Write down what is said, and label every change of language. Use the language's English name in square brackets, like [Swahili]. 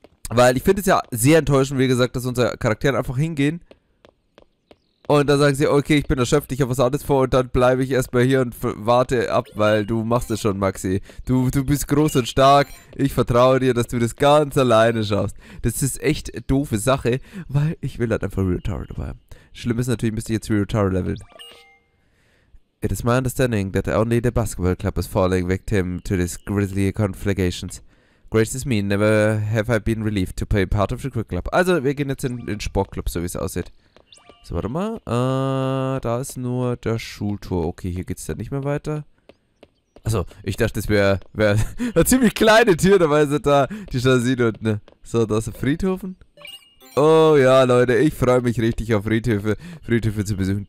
[German] Weil ich finde es ja sehr enttäuschend, wie gesagt, dass unsere Charaktere einfach hingehen und dann sagen sie, okay, ich bin erschöpft, ich habe was anderes vor und dann bleibe ich erstmal hier und warte ab, weil du machst es schon, Maxi. Du bist groß und stark, ich vertraue dir, dass du das ganz alleine schaffst. Das ist echt doofe Sache, weil ich will halt einfach Ryotaro dabei. Schlimm ist natürlich, müsste ich jetzt Ryotaro leveln. [English] It is my understanding that only the basketball club is falling victim to these grisly conflagrations. Grace is me, never have I been relieved to play part of the Quick Club. [German] Also, wir gehen jetzt in den Sportclub, so wie es aussieht. So, warte mal. Da ist nur der Schultor. Okay, hier geht es dann nicht mehr weiter. Also, ich dachte, das wär eine ziemlich kleine Tür, dabei sind da die Chasine und ne. So, da ist der Friedhof. Oh ja, Leute, ich freue mich richtig auf Friedhöfe zu besuchen.